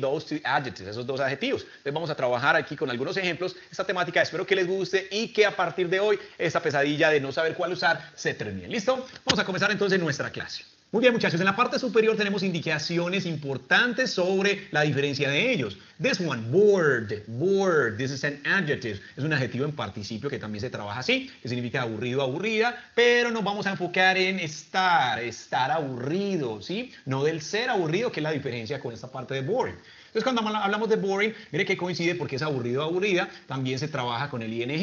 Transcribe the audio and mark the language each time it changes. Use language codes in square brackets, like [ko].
[en] Those two adjectives, [es] esos dos adjetivos. Entonces vamos a trabajar aquí con algunos ejemplos esta temática. Espero que les guste y que a partir de hoy esta pesadilla de no saber cuál usar se termine. ¿Listo? Vamos a comenzar entonces nuestra clase. Muy bien, muchachos, en la parte superior tenemos indicaciones importantes sobre la diferencia de ellos. [en] This one, bored, bored, this is an adjective. [es] Es un adjetivo en participio que también se trabaja así, que significa aburrido, aburrida, pero nos vamos a enfocar en estar, estar aburrido, ¿sí? No del ser aburrido, que es la diferencia con esta parte de bored. Entonces, cuando hablamos de boring, mire que coincide porque es aburrido, aburrida, también se trabaja con el ing.